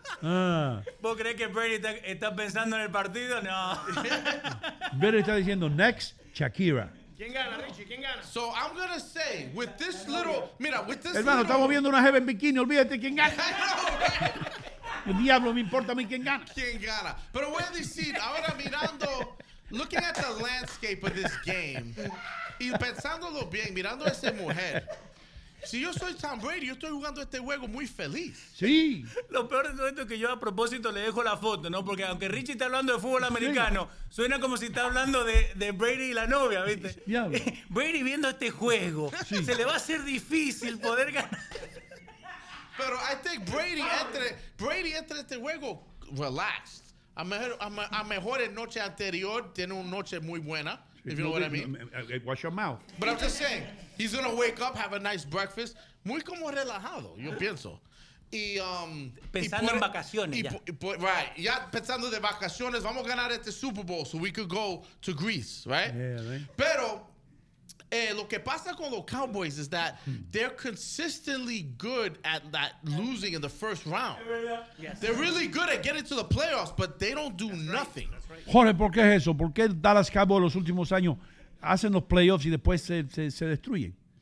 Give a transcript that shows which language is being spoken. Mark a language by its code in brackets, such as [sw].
[es] ¿Vos crees que Brady está pensando en el partido? No. Brady está diciendo, next, Shakira. ¿Quién gana, Richie? ¿Quién gana? [en] So I'm going to say, with this little... Mira, with this [es] hermano, [en] little... [es] estamos viendo una jeva en bikini. Olvídate quién gana. El diablo me importa a mí quién gana. ¿Quién gana? Pero voy a decir, ahora mirando... [en] Looking at the landscape of this game. [es] Y pensándolo bien, mirando a esa mujer... Si yo soy Tom Brady, yo estoy jugando este juego muy feliz. Sí. Lo peor de todo esto es que yo a propósito le dejo la foto, ¿no? Porque aunque Richie está hablando de fútbol americano, sí. suena como si está hablando de Brady y la novia, ¿viste? Sí. Brady viendo este juego, sí. se le va a hacer difícil poder ganar. Pero [en] I think [es] Brady entre este juego [en] relaxed. [es] A mejor noche anterior, tiene una noche muy buena. [en] If you know what I mean. Wash your mouth. But I'm just saying, he's going to wake up, have a nice breakfast. [es] Muy como relajado, yo pienso. Pensando en vacaciones ya. [en] Right, [es] ya pensando de vacaciones, vamos a ganar este Super Bowl [en] so we could go to Greece, right? Yeah, right. [es] Pero lo que pasa con los [en] Cowboys is that they're consistently good at that losing in the first round. Yes. They're really good at getting to the playoffs, but they don't do That's nothing. Right. [es] Jorge, ¿por qué es eso? ¿Por qué Dallas Cowboys los últimos años hacen los playoffs y después se destruyen?